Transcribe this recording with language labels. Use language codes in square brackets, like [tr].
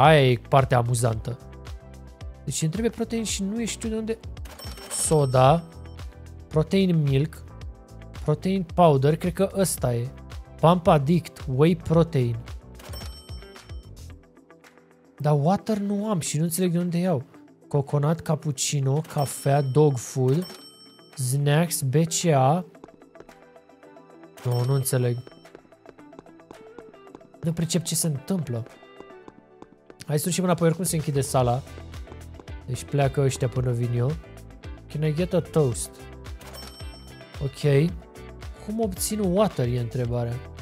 [ro] Aia e partea amuzantă. Deci îmi trebuie protein și nu știu de unde. [en] Soda. Protein milk. Protein powder. [ro] Cred că ăsta e. [en] Pump addict. Whey protein. [ro] Dar water nu am și nu înțeleg de unde iau. [en] Coconut, cappuccino, cafea, dog food, snacks, BCA. [ro] Nu, nu înțeleg. Nu pricep ce se întâmplă. Hai să ducem înapoi, oricum se închide sala. Deci pleacă ăștia până vin eu. [en] Can I get a toast? [ro] Ok. Cum obțin water, e întrebarea.